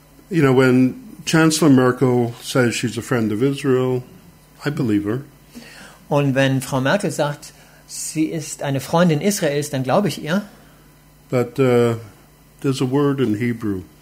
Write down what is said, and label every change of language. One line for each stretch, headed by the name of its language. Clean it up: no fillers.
English: You know, when Chancellor Merkel says she's a friend of Israel, I believe her.
German: Und wenn Frau Merkel sagt, sie ist eine Freundin Israels, dann glaube ich ihr.
English: But there's a word in Hebrew.